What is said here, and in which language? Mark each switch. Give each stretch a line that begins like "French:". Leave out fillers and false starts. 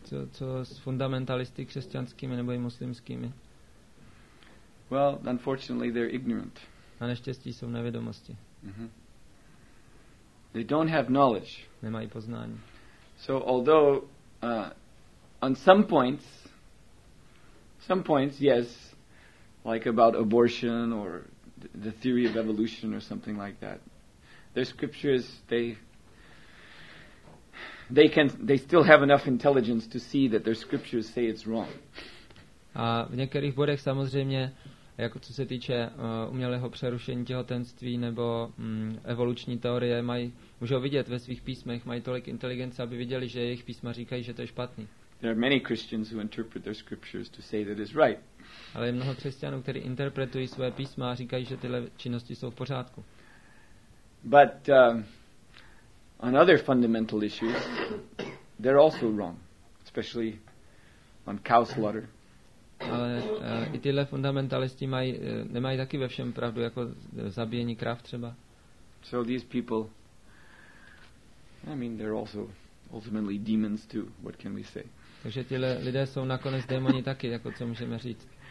Czech: co s fundamentalisty křesťanskými nebo i muslimskými.
English: Well, unfortunately they're ignorant.
Czech: A neštěstí jsou v nevědomosti. Mm-hmm.
English: They don't have knowledge.
Czech: Nemají poznání.
English: So although on some points yes, like about abortion or the theory of evolution or something like that. Their scriptures they still have enough intelligence to see that their scriptures say it's wrong.
Czech: A v některých bodech samozřejmě jako co se týče umělého přerušení těhotenství nebo evoluční teorie mají už vidět ve svých písmech, mají tolik inteligence, aby viděli, že jejich písma říkají, že to je špatný.
English: There are many Christians who interpret their scriptures to say that it's right.
Czech: Ale je mnoho křesťanů, kteří interpretují své písma a říkají, že tyhle činnosti jsou v pořádku.
English: But on other fundamental issues, they're also wrong, especially on cow slaughter.
Czech: Ale i tyhle fundamentalisti mají nemají taky ve všem pravdu, jako zabíjení krav třeba.
English: So these people, I mean, they're also ultimately demons too. What can we say?
Czech: Takže tyhle lidé jsou nakonec démoni taky, jako co můžeme říct.